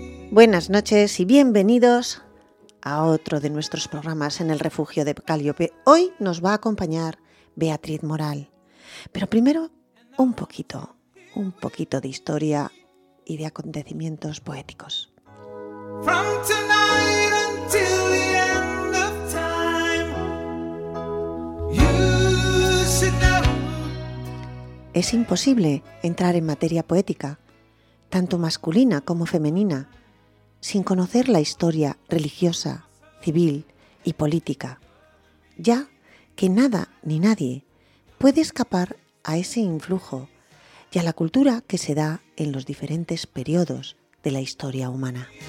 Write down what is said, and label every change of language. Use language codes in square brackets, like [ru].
[es] Buenas noches y bienvenidos a otro de nuestros programas en el Refugio de Caliope. Hoy nos va a acompañar Beatriz Moral. Pero primero, un poquito de historia y de acontecimientos poéticos. [en] From tonight until the end of time, you should know. [es] Es imposible entrar en materia poética, tanto masculina como femenina, sin conocer la historia religiosa, civil y política, ya que nada ni nadie puede escapar a ese influjo y a la cultura que se da en los diferentes periodos de la historia humana.